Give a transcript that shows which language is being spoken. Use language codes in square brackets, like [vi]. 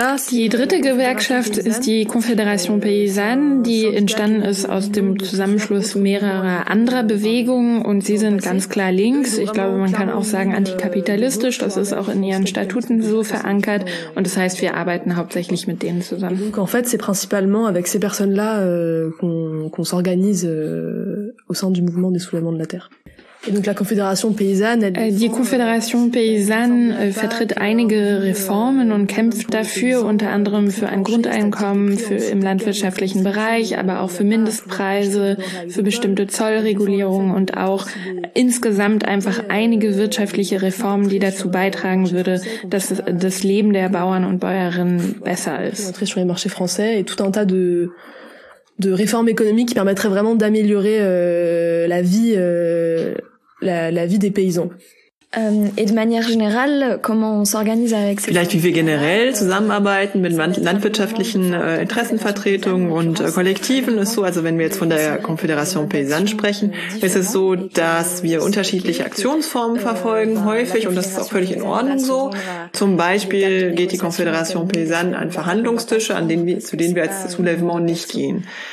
[de] Die dritte Gewerkschaft ist die Confédération Paysanne, die entstanden ist aus dem Zusammenschluss mehrerer anderer Bewegungen und sie sind ganz klar links. Ich glaube, man kann auch sagen antikapitalistisch, das ist auch in ihren Statuten so verankert und das heißt, wir arbeiten hauptsächlich mit denen zusammen. [fr] Donc en fait, c'est principalement avec ces personnes-là qu'on s'organise au sein du mouvement des soulèvements de la terre. [de] Die Confédération Paysanne vertritt einige Reformen und kämpft dafür, unter anderem für ein Grundeinkommen für im landwirtschaftlichen Bereich, aber auch für Mindestpreise, für bestimmte Zollregulierungen und auch insgesamt einfach einige wirtschaftliche Reformen, die dazu beitragen würde, dass das Leben der Bauern und Bäuerinnen besser ist. [fr] Sur les marchés français et tout un tas de réformes économiques qui permettraient vraiment d'améliorer la vie des paysans. Et de manière générale, comment on s'organise avec ces... [de] Vielleicht wie wir generell zusammenarbeiten mit landwirtschaftlichen Interessenvertretungen und Kollektiven ist so, also wenn wir jetzt von der Confédération Paysanne sprechen, ist es so, dass wir unterschiedliche Aktionsformen verfolgen, häufig, und das ist auch völlig in Ordnung so. Zum Beispiel geht die Confédération Paysanne an Verhandlungstische, zu denen wir als Soulèvement nicht gehen.